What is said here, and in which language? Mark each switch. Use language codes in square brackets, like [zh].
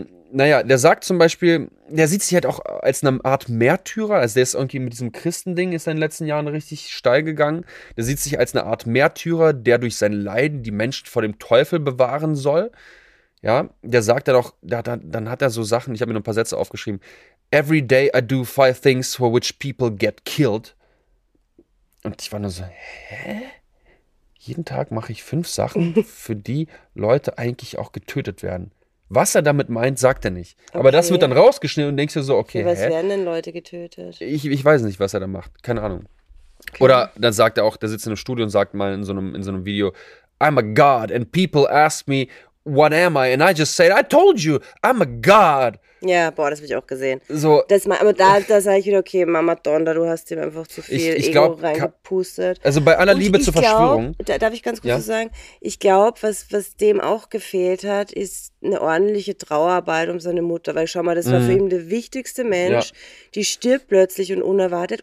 [de] Naja, der sagt zum Beispiel, der sieht sich halt auch als eine Art Märtyrer. Also der ist irgendwie mit diesem Christending ist er in den letzten Jahren richtig steil gegangen. Der sieht sich als eine Art Märtyrer, der durch sein Leiden die Menschen vor dem Teufel bewahren soll. Ja, der sagt dann auch, dann hat er so Sachen, ich habe mir noch ein paar Sätze aufgeschrieben. [en] Every day I do 5 things for which people get killed. [de] Und ich war nur so, hä? Jeden Tag mache ich 5 Sachen, für die Leute eigentlich auch getötet werden. Was er damit meint, sagt er nicht. Okay. Aber das wird dann rausgeschnitten und denkst du so, okay, was werden denn Leute getötet? Ich weiß nicht, was er da macht, keine Ahnung. Okay. Oder dann sagt er auch, der sitzt in einem Studio und sagt mal in so einem Video, [en] I'm a God and people ask me, what am I? And I just said, I told you, I'm a god. [de] Ja, boah, das habe ich auch gesehen. So, das, aber da sage ich wieder, okay, Mama Donda, du hast ihm einfach zu viel Ego reingepustet. Also bei aller Liebe zur Verschwörung. Darf ich ganz kurz so sagen? Ich glaube, was dem auch gefehlt hat, ist eine ordentliche Trauerarbeit um seine Mutter. Weil schau mal, das war für ihn der wichtigste Mensch. Ja. Die stirbt plötzlich und unerwartet.